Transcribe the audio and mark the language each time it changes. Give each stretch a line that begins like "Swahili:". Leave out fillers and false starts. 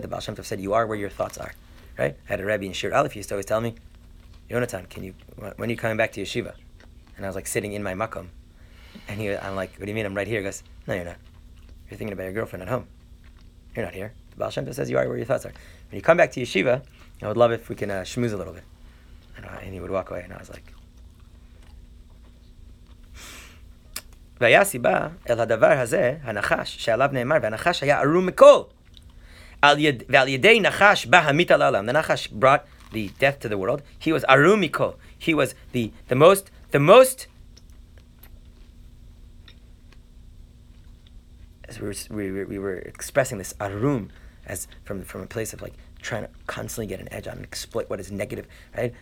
English: The Baal Shem Tov said, you are where your thoughts are. Right? I had a Rebbe in Shir Aleph, he used to always tell me, Yonatan, when are you coming back to yeshiva? And I was like sitting in my makom. And I'm like, what do you mean? I'm right here. He goes, no, you're not. You're thinking about your girlfriend at home. You're not here. The Baal Shem Tov says, you are where your thoughts are. When you come back to yeshiva, I would love if we can schmooze a little bit. And he would walk away, and I was like,
Hebrew: והיה הסיבה אל הדבר הזה, הנחש, שעליו נאמר, והנחש היה ערום מכל. ועל ידי נחש בא המית על העולם.
English: The נחש brought the death to the world. He was ערום מכל. He was the most... As we were expressing this ערום, as from a place of like trying to constantly get an edge on and exploit what is negative, right?